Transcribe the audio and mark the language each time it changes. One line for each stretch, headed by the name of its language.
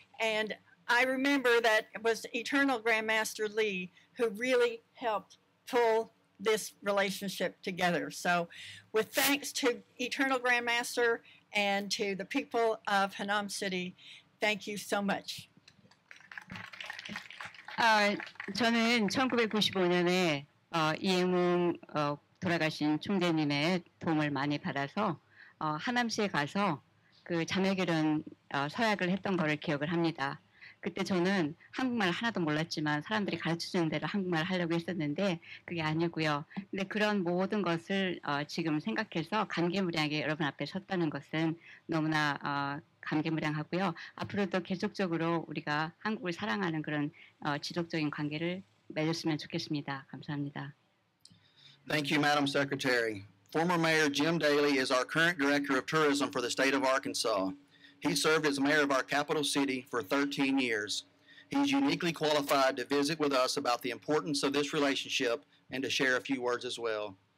English: And I remember that it was Eternal Grandmaster Lee who really helped pull this relationship together. So with thanks to Eternal Grandmaster and to the people of Hanam City, thank you so much.
Korean: 저는 1995년에 이예문 돌아가신 총재님의 도움을 많이 받아서 하남시에 가서 그 자매결연 서약을 했던 거를 기억을 합니다. 그때 저는 한국말 하나도 몰랐지만 사람들이 가르쳐주는 대로 한국말을 하려고 했었는데 그게 아니고요. 근데 그런 모든 것을 지금 생각해서 감개무량하게 여러분 앞에 섰다는 것은 너무나 감개무량하고요. 앞으로도 계속적으로 우리가 한국을 사랑하는 그런 지속적인 관계를 맺었으면 좋겠습니다. 감사합니다.
English: Thank you, Madam Secretary. Former Mayor Jim Daly is our current Director of Tourism for the State of Arkansas. He served as mayor of our capital city for 13 years. He's uniquely qualified to visit with us about the importance of this relationship and to share a few words as well.